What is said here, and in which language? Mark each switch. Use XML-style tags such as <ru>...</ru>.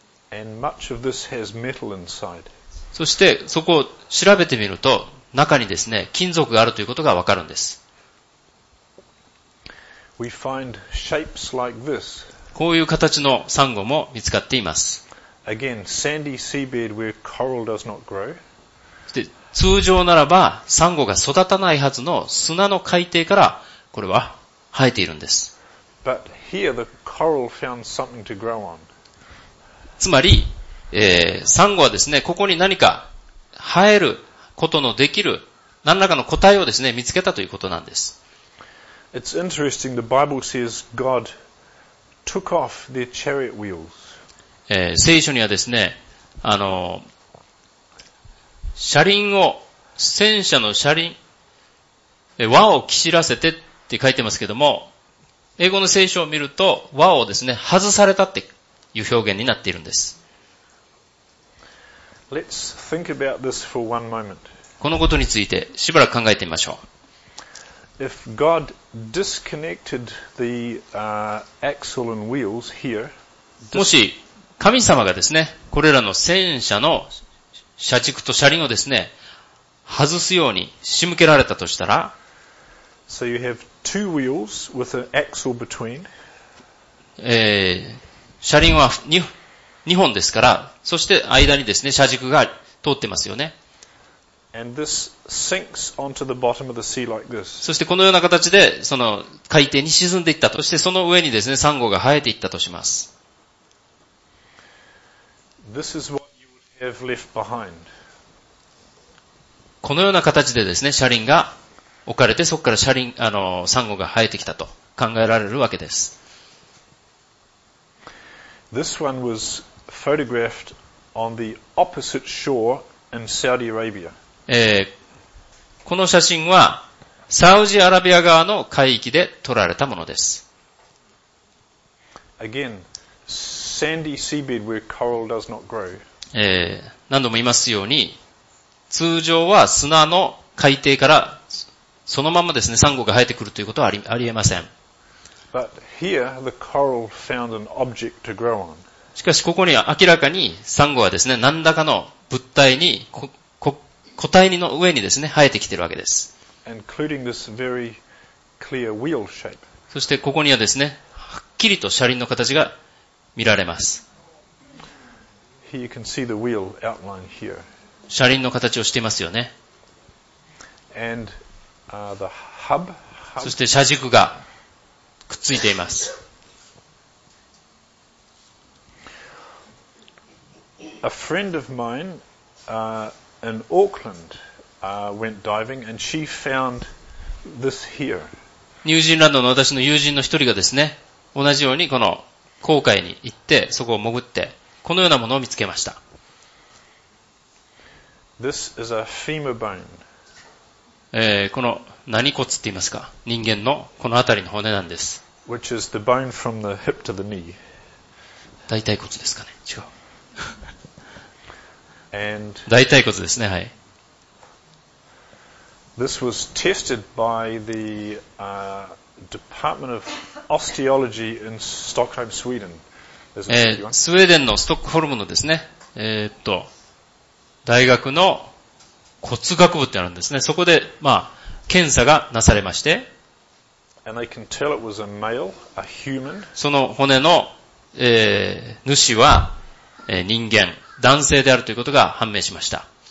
<en>And much of this has metal inside.</en> <ja>そしてそこを調べてみると、中にですね、金属があるということがわかるんです。</ja> <en>We find shapes like this.</en> <ja>こういう形のサンゴも見つかっています。</ja> <en>Again, sandy seabed where coral does not grow.</en> <ja>で、通常ならばサンゴが育たないはずの砂の海底からこれは生えているんです。</ja> <en>But here the coral found something to grow on.</en> <ja>つまり、サンゴはですね、ここに何か生えることのできる何らかの個体をですね、見つけたということなんです。</ja> <en>It's interesting, the Bible says God took off their chariot wheels.</en> <ja>聖書にはですね、車輪を、戦車の車輪、輪をきしらせてって書いてますけども、英語の聖書を見ると、輪をですね、外されたっていう表現になっているんです。</ja> <en>Let's think about this for one moment.</en> <ja>このことについてしばらく考えてみましょう。</ja> <en>If God disconnected the, axle and wheels here,</en> <ja>もし神様がですね、これらの戦車の車軸と車輪をですね、外すように仕向けられたとしたら、</ja> <en>So you have two wheels with an axle between.</en> <ja>車輪は2本ですから、そして間にですね、車軸が通ってますよね。</ja> <en>And this sinks onto the bottom of the sea like this.</en> <ja>そしてこのような形でその海底に沈んでいったと。そしてその上にですね、サンゴが生えていったとします。</ja> <en>This is what you would have left behind.</en> <ja>このような形でですね、車輪が置かれて、そこから車輪、サンゴが生えてきたと考えられるわけです。</ja> <en>This one was photographed on the opposite shore in Saudi Arabia.</en> <ja>この写真はサウジアラビア側の海域で撮られたものです。</ja> <en>Again, sandy seabed where coral does not grow.</en> <ja>何度も言いますように、通常は砂の海底からそのままですね、サンゴが生えてくるということはありえません。</ja> <en>But here the coral found an object to grow on.</en> <ja>しかしここには明らかにサンゴはですね、何らかの物体に個体の上にですね、生えてきているわけです。</ja> <en>Including this very clear wheel shape.</en> <ja>そしてここにはですね、はっきりと車輪の形が見られます。</ja> <en>Here you can see the wheel outline here.</en> <ja>車輪の形をしていますよね。</ja> <en>And, the hub.</en> <ja>そして車軸がくっついています。</ja> <en>A friend of mine, in Auckland, went diving and she found this here.</en> <ja>ニュージーランドの私の友人の一人がですね、同じようにこの航海に行って、そこを潜って、このようなものを見つけました。</ja> <en>This is a femur bone.</en> <ja>この何骨って言いますか、人間のこの辺りの骨なんです。</ja> <en>Which is the bone from the hip to the knee.</en> <ja>大腿骨ですかね、違う。</ja> <en>And</en> <ja>大腿骨ですね、はい。</ja> <en>This was tested by the, Department of Osteology in Stockholm, Sweden.</en> <ja>スウェーデンのストックホルムのですね、大学の骨学部ってあるんですね。そこで、まあ、検査がなされまして、</ja> <en>And they can tell it was a male, a human.</en> <ja>その骨の、主は、人間。男性であるということが判明しました。</ja>